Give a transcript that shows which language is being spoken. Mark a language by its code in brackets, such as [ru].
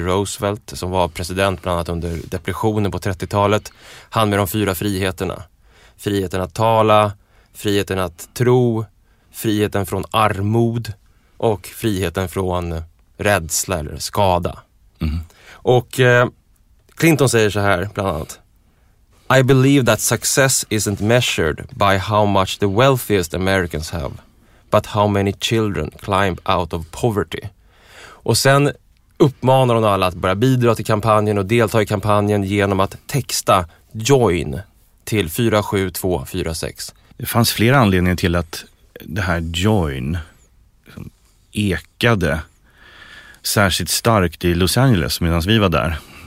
[sv] Roosevelt som var president bland annat under depressionen på 30-talet. Han med de fyra friheterna. Friheten att tala, friheten att tro, friheten från armod och friheten från rädsla eller skada. Mm. Och Clinton säger så här bland annat. [en] I believe that success isn't measured by how much the wealthiest Americans have, but how many children climb out of poverty. [sv] Och sen uppmanar hon alla att börja bidra till kampanjen och delta i kampanjen genom att texta join till 47246. Det fanns flera anledningar till att det här join ekade särskilt starkt i Los Angeles medan vi var där.